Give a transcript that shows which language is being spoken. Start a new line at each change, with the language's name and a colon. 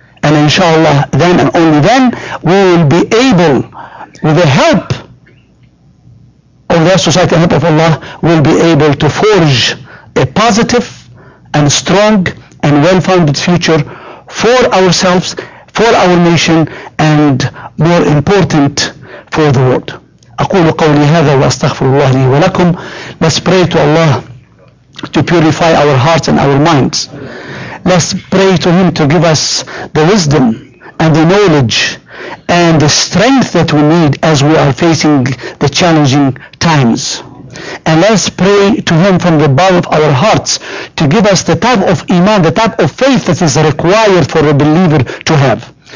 English: And inshallah, then and only then, we will be able, with the help of the society, the help of Allah, we'll be able to forge a positive and strong and well-founded future for ourselves, for our nation, and more important, for the world.
Arabic: أقول قولي هذا وأستغفر الله لي ولكم.
English: Let's pray to Allah to purify our hearts and our minds. Let's pray to Him to give us the wisdom and the knowledge and the strength that we need as we are facing the challenging times. And let's pray to Him from the bottom of our hearts to give us the type of iman, the type of faith that is required for a believer to have.